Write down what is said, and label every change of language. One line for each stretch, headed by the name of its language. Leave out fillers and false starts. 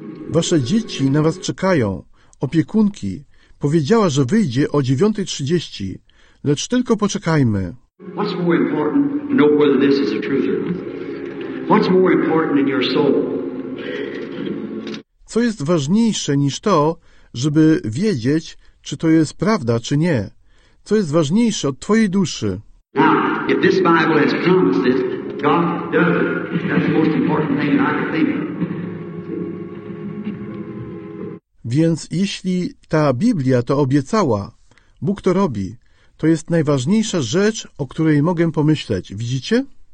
Polish: Wasze dzieci na was czekają. Opiekunki. Powiedziała, że wyjdzie o 9:30. Lecz tylko poczekajmy.
English: What's more important to know whether this is the truth or not? What's more important in your soul?
Polish: Co jest ważniejsze niż to, żeby wiedzieć, czy to jest prawda, czy nie? Co jest ważniejsze od twojej duszy?
English: Now, if this Bible has promised this, God does it. That's the most important thing that I can think of.
Polish: Więc jeśli ta Biblia to obiecała, Bóg to robi, to jest najważniejsza rzecz, o której mogę pomyśleć. Widzicie?